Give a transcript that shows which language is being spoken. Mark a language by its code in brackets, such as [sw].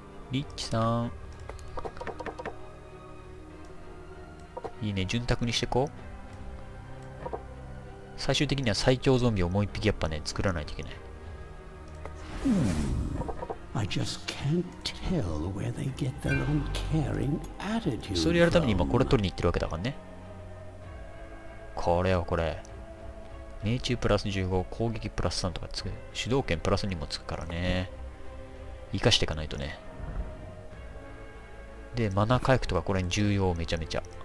[ja] リッチさん。いいね、潤沢にしてこう。最終的には最強ゾンビをもう一匹やっぱね、作らないといけない。 [en] I just can't tell where they get their uncaring attitude. [ja] それやるために今これ取りに行ってるわけだからね。これよこれ、命中プラス15、攻撃プラス3とかつく、主導権プラス2もつくからね、生かしていかないとね。で、マナ回復とかこれに重要、めちゃめちゃ。